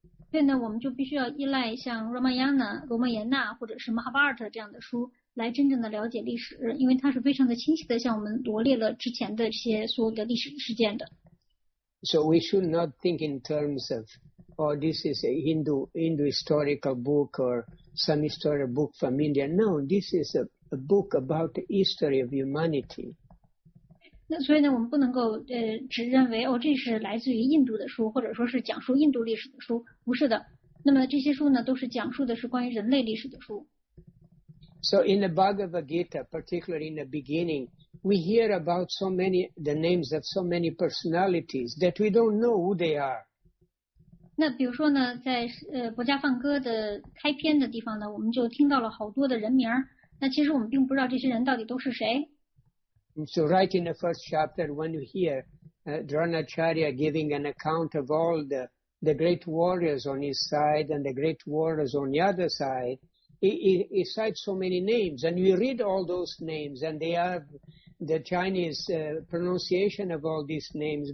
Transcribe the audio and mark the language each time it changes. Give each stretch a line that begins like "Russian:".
Chinese: 所以呢，我们就必须要依赖像《Ramayana》《罗摩衍那》或者是《Mahabharata》这样的书来真正的了解历史，因为它是非常的清晰的向我们罗列了之前的这些所有的历史事件的。
English: So we should not think in terms of, oh, this is a Hindu historical book or some historical book from India. No, this is a book about the history of humanity.
Chinese: 那所以呢，我们不能够只认为哦，这是来自于印度的书，或者说是讲述印度历史的书。不是的，那么这些书呢，都是讲述的是关于人类历史的书。
English: So in the Bhagavad Gita, particularly in the beginning, we hear about so many the names of so many personalities that we don't know who they are.
Chinese: 那比如说呢，在博迦梵歌的开篇的地方呢，我们就听到了好多的人名，那其实我们并不知道这些人到底都是谁。
English: So right in the first chapter, when you hear Dronacharya giving an account of all the great warriors on his side and the great warriors on the other side, he cites so many names. And you read all those names and they have the Chinese pronunciation of all these names.